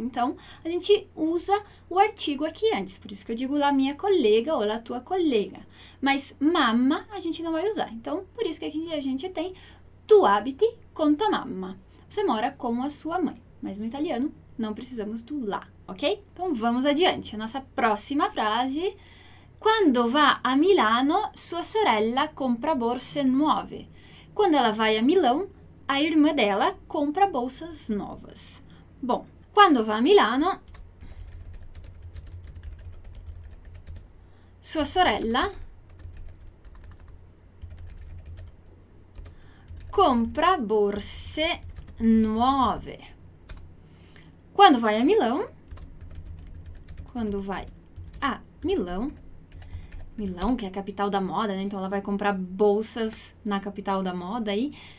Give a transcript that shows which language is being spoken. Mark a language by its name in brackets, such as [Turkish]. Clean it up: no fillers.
[Portuguese] Então, a gente usa o artigo aqui antes. Por isso que eu digo [Italian] la mia collega [Portuguese] ou [Italian] la tua collega. [Portuguese] Mas mamma a gente não vai usar. Então, por isso que aqui a gente tem [Italian] tu abiti con tua mamma. [Portuguese] Você mora com a sua mãe. Mas no italiano, não precisamos do la, ok? Então, vamos adiante. A nossa próxima frase. [Italian] Quando va a Milano, sua sorella compra borse nuove. [Portuguese] Quando ela vai a Milão, a irmã dela compra bolsas novas. [Italian] Bom, quando va a Milano, sua sorella compra borse nuove. [Portuguese] Quando vai a Milão, quando vai a Milão, Milão, que é a capital da moda, né? Então ela vai comprar bolsas na capital da moda aí.